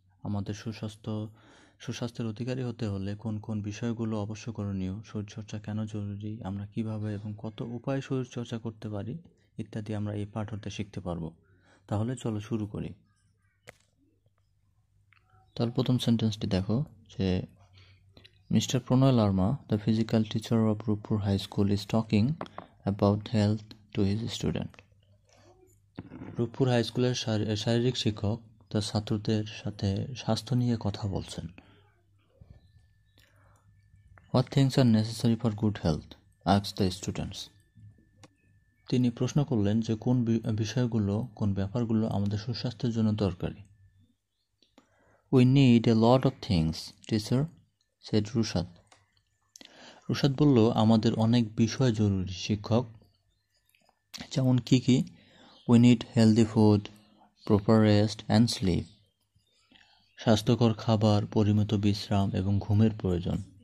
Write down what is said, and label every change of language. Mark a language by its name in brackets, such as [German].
[Bangla] আমাদের সুস্বাস্থ্যের অধিকারী হতে হলে কোন কোন বিষয়গুলো অবশ্য করণীয়, শরীরচর্চা কেন জরুরি, আমরা কীভাবে এবং কত উপায়ে শরীরচর্চা করতে পারি ইত্যাদি আমরা এই পাঠ হতে শিখতে পারবো। তাহলে চলো শুরু করি। তার প্রথম সেন্টেন্সটি দেখো যে Mr. [English] Pranoy Larma, the physical teacher of Rupur High School, is talking about health to his student. [Bangla] Rupur High School এর শারীরিক শিক্ষক তার ছাত্রদের সাথে স্বাস্থ্য নিয়ে কথা বলছেন। [English] What things are necessary for good health? Asked the students. [Bangla] তিনি প্রশ্ন করলেন যে কোন বিষয়গুলো, কোন ব্যাপারগুলো আমাদের সুস্বাস্থ্যের জন্য দরকারি। [English] We need a lot of things, teacher. [Bangla] Set Rushad Rushad বলল, আমাদের অনেক বিষয় জরুরি শিক্ষক। যেমন কী কী? [English] we need healthy food, proper rest and sleep, [Bangla] স্বাস্থ্যকর খাবার, পরিমিত বিশ্রাম এবং ঘুমের প্রয়োজন।